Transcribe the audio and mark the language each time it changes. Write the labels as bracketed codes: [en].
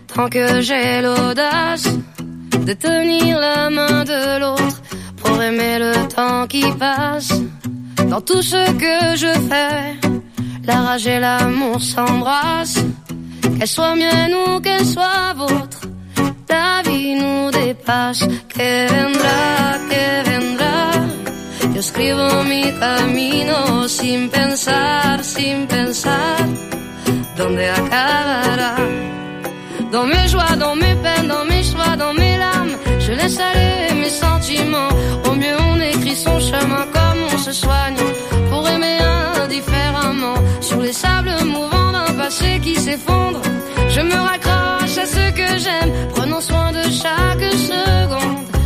[fr] Que j'ai l'audace de tenir la main de l'autre pour aimer le temps qui passe. Dans tout ce que je fais, la rage et l'amour s'embrassent. Qu'elle soit mienne ou qu'elle soit vôtre, ta vie nous dépasse. [es] Que vendrá, que vendrá. Yo escribo mi camino sin pensar, sin pensar dónde acabará. [fr] Dans mes joies, dans mes peines, dans mes choix, dans mes larmes, je laisse aller mes sentiments. Au mieux on écrit son chemin comme on se soigne, pour aimer indifféremment. Sur les sables mouvants d'un passé qui s'effondre, je me raccroche à ce que j'aime, prenant soin de chaque seconde.